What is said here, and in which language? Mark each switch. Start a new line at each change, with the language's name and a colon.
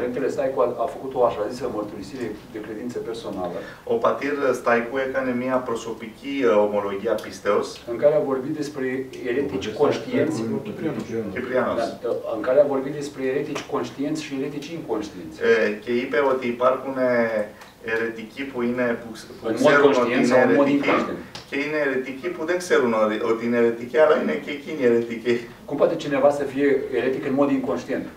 Romanian: Πατήρ Στάικου a făcut o așa zisă mărturisire de credință personală.
Greek: Ο πατήρ Στάικου έκανε μια προσωπική ομολογία πίστεως.
Romanian: În care a vorbit despre eretici conștienți.
Greek: Κυπριανός.
Romanian: În care a vorbit despre eretici conștienți și eretici inconștienți.
Greek: Και είπε ότι υπάρχουν ερετικοί που είναι, που ξέρουν ότι είναι ερετικοί και είναι ερετικοί που δεν ξέρουν ότι είναι ερετικοί, αλλά είναι και εκείνοι ερετικοί.
Romanian: Cum poate cineva să fie eretic în mod inconștient?